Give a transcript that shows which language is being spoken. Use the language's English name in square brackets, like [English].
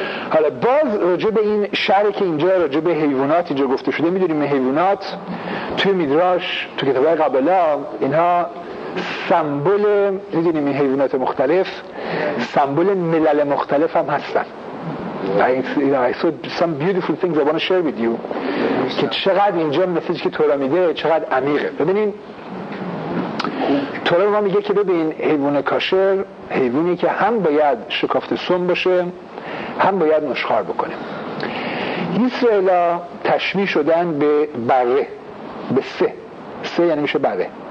[Persian] حالا باز راجع به این شعر که اینجا راجع به حیوانات اینجا گفته شده میدونیم حیوانات توی میدراش توی کتاب های قبلا اینها سمبول میدونیم این حیوانات مختلف سمبول ملل مختلف هم هستن. [English] I saw some beautiful things I want to share with you [Persian] که چقدر اینجا مسیج که تورا میده چقدر عمیقه. ببینین تورا ما میگه که ببین حیوان کاشر حیوانی که هم باید شکافت سم باشه هم باید نشخوار بکنه. اسرائیل ها تشبیه شدن به بره به سه سه یعنی میشه بره.